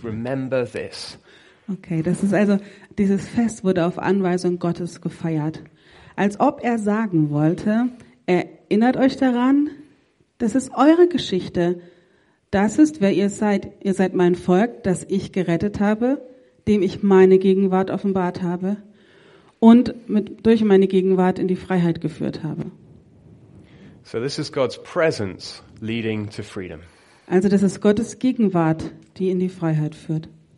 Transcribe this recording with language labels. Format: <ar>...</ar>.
<en>Remember this.</en> <de>Okay, das ist also, dieses Fest wurde auf Anweisung Gottes gefeiert. Als ob er sagen wollte, erinnert euch daran, das ist eure Geschichte. Das ist, wer ihr seid. Ihr seid mein Volk, das ich gerettet habe, dem ich meine Gegenwart offenbart habe und mit, durch meine Gegenwart in die Freiheit geführt habe.</de> <en>So this is God's presence leading to freedom.</en> <de>Also das ist Gottes Gegenwart, die in die Freiheit führt.</de>